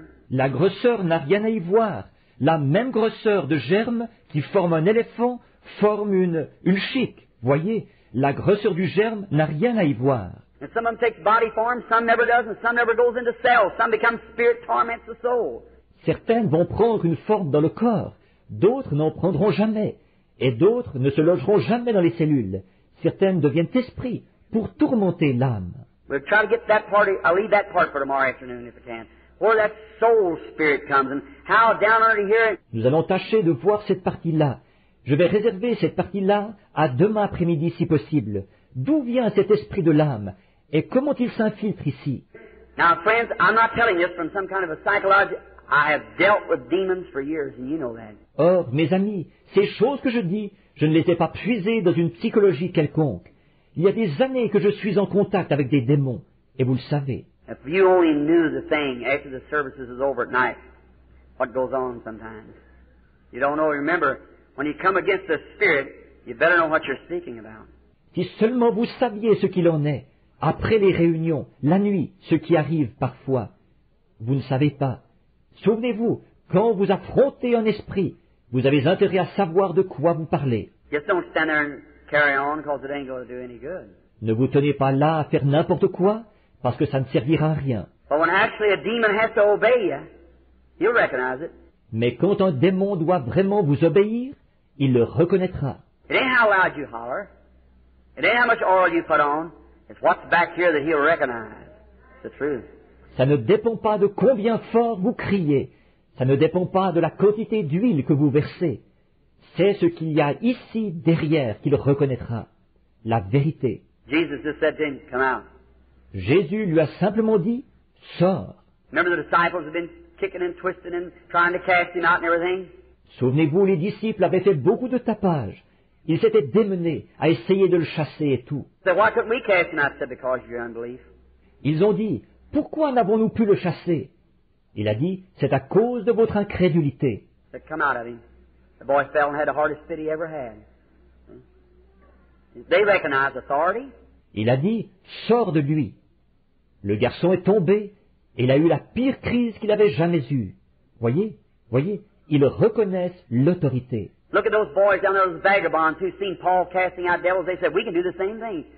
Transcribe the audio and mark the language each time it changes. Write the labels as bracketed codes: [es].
[fr] La grosseur n'a rien à y voir. La même grosseur de germe qui forme un éléphant forme une chic, voyez. La grosseur du germe n'a rien à y voir. [en] And some of them take body form, some never does, and some never goes into cells. Some become spirit torments the soul. [fr] Certaines vont prendre une forme dans le corps, d'autres n'en prendront jamais, et d'autres ne se logeront jamais dans les cellules. Certaines deviennent esprits pour tourmenter l'âme. [en] We'll try to get that part. I'll leave that part for tomorrow afternoon if I can. Where that soul spirit comes and how down under here. [fr] Nous allons tâcher de voir cette partie-là. Je vais réserver cette partie-là à demain après-midi, si possible. D'où vient cet esprit de l'âme et comment il s'infiltre ici? [en] Now, friends, I'm not telling this from some kind of a psychology. I have dealt with demons for years, and you know that. [fr] Or, mes amis, ces choses que je dis, je ne les ai pas puisées dans une psychologie quelconque. Il y a des années que je suis en contact avec des démons, et vous le savez. [en] If you only knew the thing after the services is over at night, what goes on sometimes? You don't know, remember. When you come against the spirit, you better know what you're speaking about. [fr] Si seulement vous saviez ce qu'il en est, après les réunions, la nuit, ce qui arrive parfois, vous ne savez pas. Souvenez-vous, quand vous affrontez un esprit, vous avez intérêt à savoir de quoi vous parlez. [en] Just don't stand there and carry on, because it ain't going to do any good. [fr] Ne vous tenez pas là à faire n'importe quoi, parce que ça ne servira à rien. [en] But when actually a demon has to obey you, you'll recognize it. [fr] Mais quand un démon doit vraiment vous obéir, il le reconnaîtra. [en] It ain't how loud you holler. It ain't how much oil you put on. It's what's back here that he'll recognize. The truth. [fr] Ça ne dépend pas de combien fort vous criez. Ça ne dépend pas de la quantité d'huile que vous versez. C'est ce qu'il y a ici derrière qu'il reconnaîtra. La vérité. [en] Jesus just said to him, come out. [fr] Jésus lui a simplement dit, sors. [en] Remember the disciples have been kicking and twisting and trying to cast him out and everything. [fr] Souvenez-vous, les disciples avaient fait beaucoup de tapage. Ils s'étaient démenés à essayer de le chasser et tout. [en] So why couldn't we cast him out? Said because of your unbelief. [fr] Ils ont dit, pourquoi n'avons-nous pu le chasser? Il a dit, c'est à cause de votre incrédulité. [en] So come out of him. The boy fell and had the hardest fit he ever had. They recognize authority. [fr] Il a dit, sors de lui. Le garçon est tombé. Il a eu la pire crise qu'il avait jamais eue. Voyez, ils reconnaissent l'autorité. [en] Look at those boys down there, those vagabonds who've seen Paul casting out devils. They said, we can do the same thing.